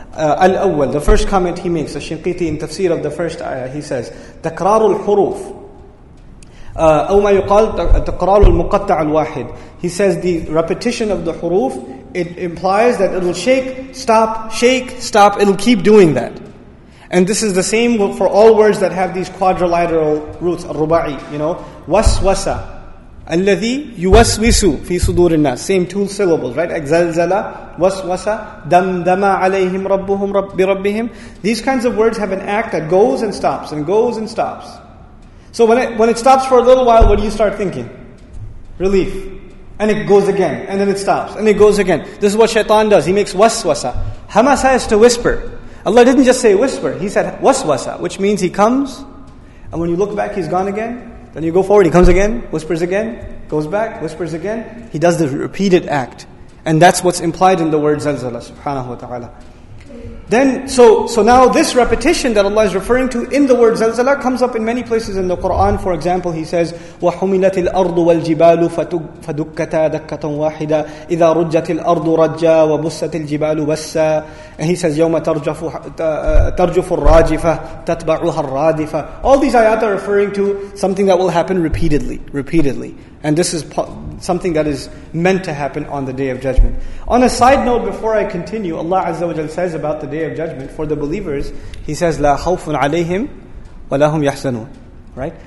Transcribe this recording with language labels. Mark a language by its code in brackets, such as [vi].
[en] Al-awwal, the first comment he makes, Ash-Shinqiti in tafsir of the first ayah, he says, [ar] تَكْرَارُ الْحُرُوفِ أَوْ مَا يُقَالْ تَقْرَارُ الْمُقَطَّعُ الْوَاحِدِ. [en] He says the repetition of the huruf, it implies that it'll shake, stop, it'll keep doing that. And this is the same for all words that have these quadrilateral roots, al-ruba'i, you know. [ar] Waswasa, الَّذِي يُوَسْوِسُ فِي صُدُورِ النَّاسِ. [en] Same two syllables, right? Zalzala, waswasa, damdama alayhim rabbuhum birabbihim. These kinds of words have an act that goes and stops, and goes and stops. So when it stops for a little while, what do you start thinking? Relief. And it goes again, and then it stops, and it goes again. This is what shaitan does. He makes waswasa. Hamasa is to whisper. Allah didn't just say whisper, he said waswasa, which means he comes, and when you look back, he's gone again. Then you go forward, he comes again, whispers again, goes back, whispers again. He does the repeated act. And that's what's implied in the word zalzala, subhanahu wa ta'ala. Then, so now this repetition that Allah is referring to in the word zalzala comes up in many places in the Quran. For example, He says, [ar] وَحُمِلَتِ الْأَرْضُ وَالْجِبَالُ فَدُكَّتَا دَكَّةً وَاحِدًا إِذَا رُجَّتِ الْأَرْضُ رَجَّا وَبُسَّتِ الْجِبَالُ بَسَّا. [en] And He says, [ar] يَوْمَ تَرْجُفُ الرَّاجِفَةَ تَتْبَعُهَا الرَّادِفَةَ. [en] All these ayat are referring to something that will happen repeatedly. And this is something that is meant to happen on the Day of Judgment. On a side note, before I continue, Allah Azza wa Jal says about the Day of Judgment, for the believers, He says, [ar] لَا خَوْفٌ عَلَيْهِمْ وَلَا هُمْ يَحْزَنُونَ. [en] Right?